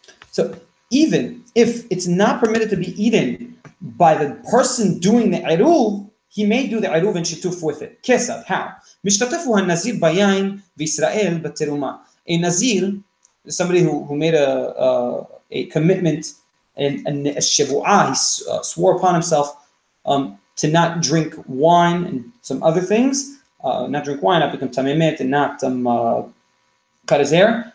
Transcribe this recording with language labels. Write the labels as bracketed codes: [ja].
[en] So even if it's not permitted to be eaten by the person doing the eruv, he may do the eruv and shituf with it. Kesav, how? [he] משתתף הוא הנזיר ביין וישראל בתרומה. [en] A nazir, somebody who made a commitment and a shevu'ah, he swore upon himself to not drink wine and some other things, not drink wine, not become tamimet, and not cut his hair.